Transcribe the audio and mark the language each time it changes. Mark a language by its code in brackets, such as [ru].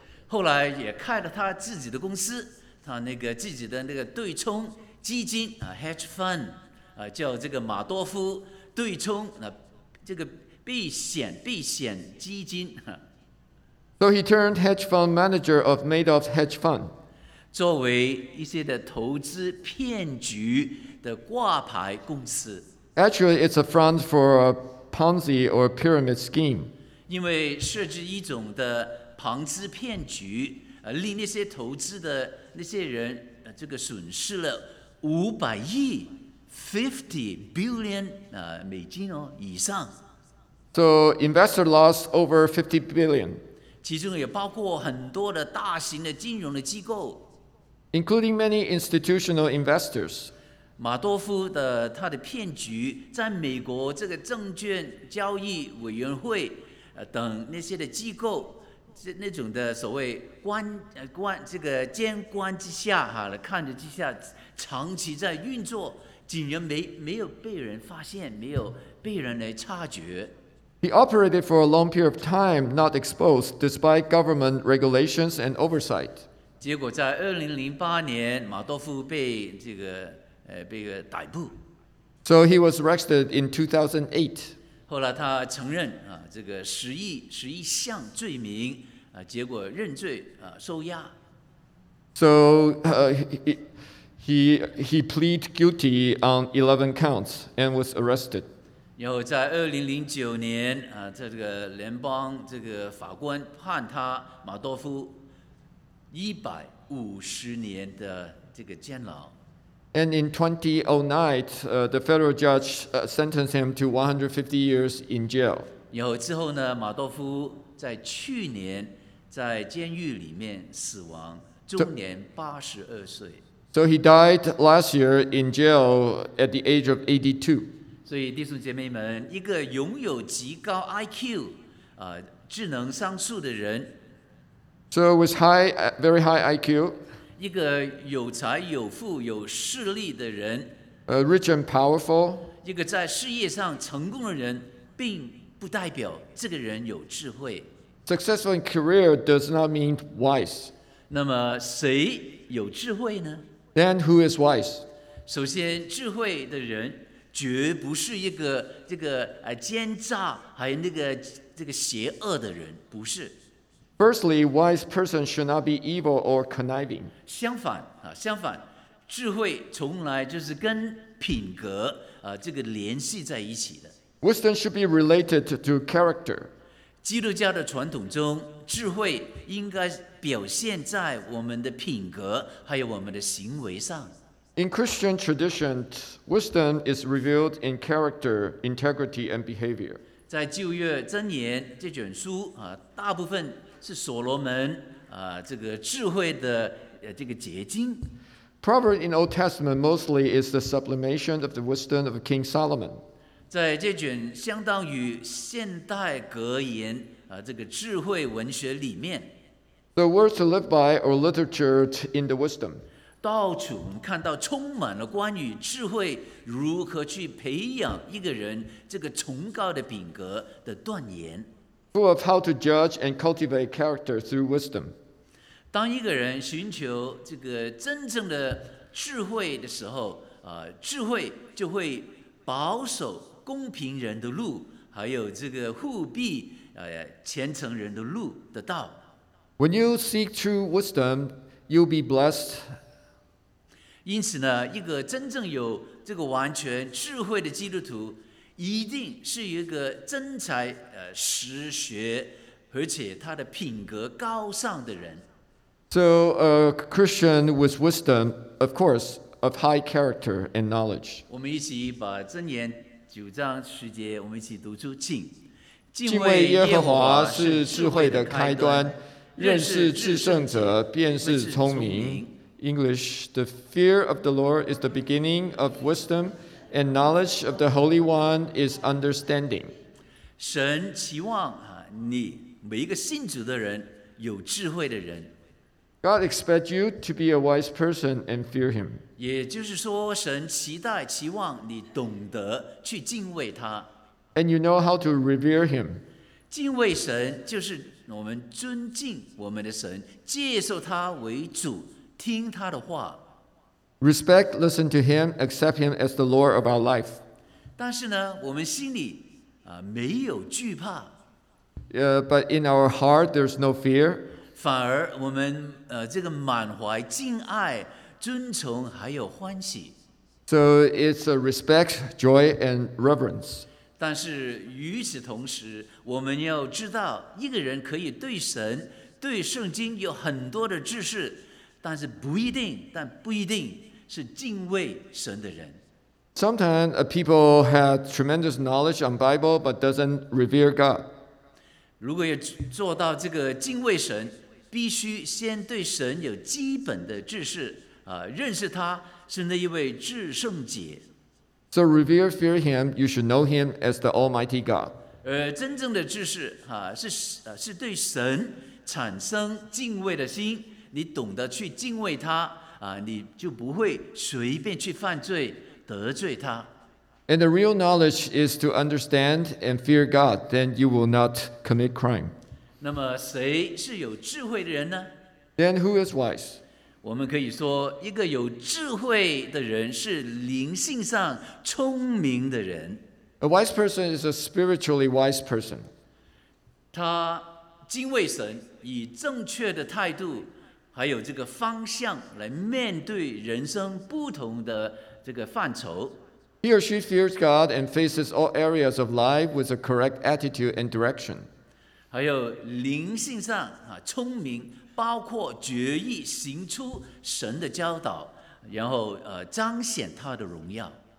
[zh] 后来也开了他自己的公司，他那个自己的那个对冲基金啊 ，hedge fund 啊，叫这个马多夫对冲那、这个避险基金。 [en] So he turned hedge fund manager of Madoff's hedge fund. [zh] 作为一些的投资骗局的挂牌公司。 [en] Actually, it's a front for a Ponzi or pyramid scheme. [zh] 因为设置一种的庞氏骗局，令那些投资的那些人，这个损失了500亿 ， [en] 50 billion [zh] 美金哦以上。 [en] So investor lost over 50 billion. [zh] 其中也包括很多的大型的金融的机构 [en] ，including many institutional investors. [zh] 马多夫的他的骗局在美国这个证券交易委员会等那些的机构。那种的所谓这个监管之下哈，看着之下长期在运作，竟然没有被人发现，没有被人来察觉。 [en] He operated for a long period of time, not exposed, despite government regulations and oversight. [zh] 结果在2008年，马多夫被这个被逮捕。 [en] So he was arrested in 2008. [zh] 后来他承认这个十一项罪名结果认罪收押。 [en] So he plead guilty on 11 counts and was arrested. [zh] 然后在2009年在这个联邦这个法官判他马多夫150年的这个监牢。 [en] And in 2009, the federal judge sentenced him to 150 years in jail. [zh] 然后之后呢，马多夫在去年在监狱里面死亡，终年82岁。 [en] So he died last year in jail at the age of 82. [zh] 所以弟兄姐妹们，一个拥有极高 IQ, 智能商数的人。 [en] So it was very high IQ. [zh] 一个有才有富有势力的人 [en] rich and powerful, [zh] 一个在事业上成功的人，并不代表这个人有智慧。 [en] Successful in career does not mean wise. [zh] 那么谁有智慧呢？ [en] Then who is wise? [zh] 首先，智慧的人绝不是一个这个奸诈还有那个这个邪恶的人，不是。 [en] Firstly, wise person should not be evil or conniving. [zh] 相反，智慧从来就是跟品格这个联系在一起的。 [en] Wisdom should be related to character. [zh] 基督教的传统中，智慧应该表现在我们的品格还有我们的行为上。 [en] In Christian tradition, wisdom is revealed in character, integrity, and behavior. [zh] 在旧约箴言这卷书大部分是所罗门这个智慧的这个结晶。 [en] Proverbs in Old Testament mostly is the sublimation of the wisdom of King Solomon. [zh] 在这卷相当于现代格言这个智慧文学里面。 [en] The words to live by or literature in the wisdom. [zh] 到处我们看到充满了关于智慧如何去培养一个人这个崇高的品格的断言。 [en] Full of how to judge and cultivate character through wisdom. [zh] 当一个人寻求这个真正的智慧的时候，智慧就会保守公平人的路，还有这个护庇虔诚人的路的道。 [en] When you seek true wisdom, you'll be blessed. [zh] 因此呢，一个真正有这个完全智慧的基督徒。一定是一个真才实学，而且他的品格高尚的人。 [en] So a Christian with wisdom, of course, of high character and knowledge. [zh] 我们一起把箴言九章十节，我们一起读出，请。敬畏耶和华是智慧的开端，认识至圣者便是聪明。 [en] English: The fear of the Lord is the beginning of wisdom. And knowledge of the Holy One is understanding. [zh] 神期望你每一个信主的人有智慧的人。 [en] God expects you to be a wise person and fear Him. [zh] 也就是说，神期待、期望你懂得去敬畏他。 [en] And you know how to revere Him. [zh] 敬畏神就是我们尊敬我们的神，接受他为主，听他的话。 [en] Respect, listen to Him, accept Him as the Lord of our life. [zh] 但是呢，我们心里没有惧怕。 [en] But in our heart, there's no fear. [zh] 反而我们这个满怀敬爱、尊崇还有欢喜。 [en] So it's a respect, joy, and reverence. [zh] 但是与此同时，我们要知道，一个人可以对神、对圣经有很多的知识，但是不一定是敬畏神的人。 [en] Sometimes a people have tremendous knowledge on Bible but doesn't revere God. [zh] 如果要做到这个敬畏神，必须先对神有基本的知识，认识他是那一位至圣洁。 [en] So revere, fear Him, you should know Him as the Almighty God. [zh] 真正的知识是对神产生敬畏的心，你懂得去敬畏他你就不会随便去犯罪得罪他。 [en] And the real knowledge is to understand and fear God, then you will not commit crime. [zh] 那么谁是有智慧的人呢？ [en] Then who is wise? [zh] 我们可以说，一个有智慧的人是灵性上聪明的人。 [en] A wise person is a spiritually wise person. [zh] 他敬畏神，以正确的态度还有这个方向来面对人生不同的这个范畴。 [en] He or she fears God and faces all areas of life with a correct attitude and direction. [zh] 还有灵性上聪明，包括决意行出神的教导，然后彰显他的荣耀。